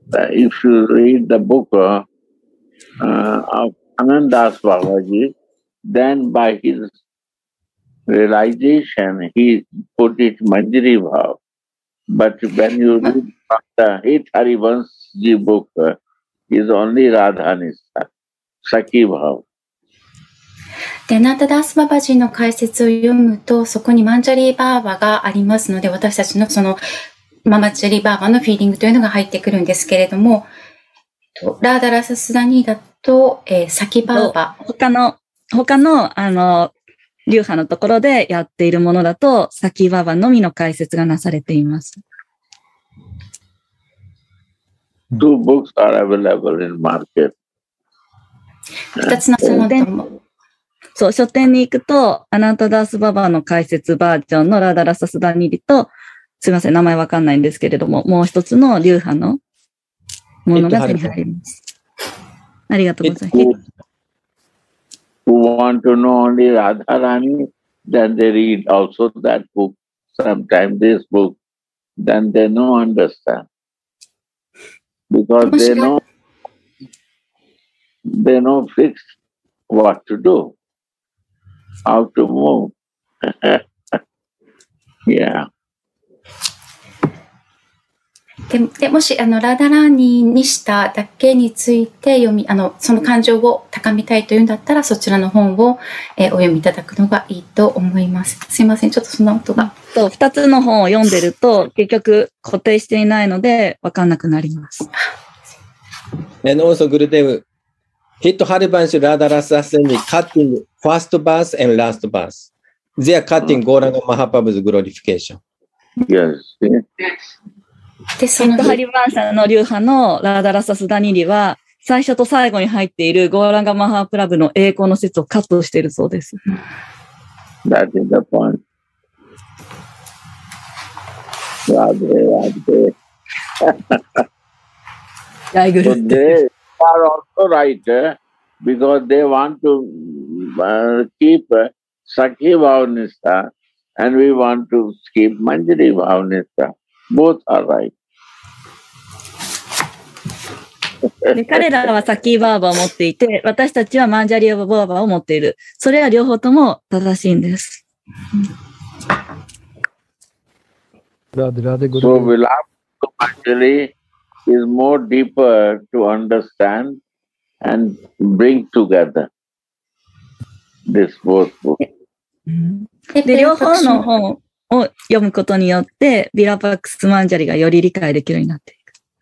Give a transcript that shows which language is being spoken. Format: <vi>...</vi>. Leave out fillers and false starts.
<en>If you read the book of Anandas Babaji, then by his realization, he put it Manjari Bhav. But when you read from the Hitari Vansji book, it's only Radha Nishtha, Sakhi Bhav.</en> <ja>で、ナタダースババジの解説を読むと、そこにマンジャリーバーバがありますので、私たちのそのママチャリバーバのフィーリングというのが入ってくるんですけれども、ラーダラサスダニーだと、サキバーバ。他の、あの、流派のところでやっているものだと、サキバーバのみの解説がなされています。</ja> <en>Two books are available in market.</en> <ja>二つのそのデモ。そう、書店に行くと、アナタダースババの解説バージョンのラーダラサスダニーと、すみません、名前わかんないんですけれども、もう一つの流派のものが手に入ります。ありがとうございます。</ja> <en>Who want to know only Radha Rani, then they read also that book, sometime this book, then they no understand. Because they know fixed what to do, how to move. yeah.</en> <ja>でもしあのラダラーニにしただけについて読み、あのその感情を高めたいというんだったら、そちらの本を、お読みいただくのがいいと思います。すいません、ちょっとその音が、 2つの本を読んでると結局固定していないので分かんなくなります。</ja> <en>And also Gurudev Hit Haribansh Radharasa Asani cutting first verse and last verse. They are cutting Gauranga Mahaprabhu's glorification. Yes.</en> <ja>でそのハリバンサの流派のラーダラサスダニリは最初と最後に入っているゴーランガマハープラブの栄光の説をカットしているそうです。</ja> <en>That is the point. ラデラデ。ラグル。 They are also right because they want to keep Sakhi Bhavanista and we want to keep Manjari Bhavanista. Both are right.</en> <ja>で彼らはサキーバーバーを持っていて、私たちはマンジャリーバーバーを持っている。それは両方とも正しいんです。</ja> <en>So, Vilakusa Manjali is more deeper to understand and bring together this both book.</en> <ja>で両方の本を読むことによって、ヴィラパクスマンジャリがより理解できるようになっていく。</ja>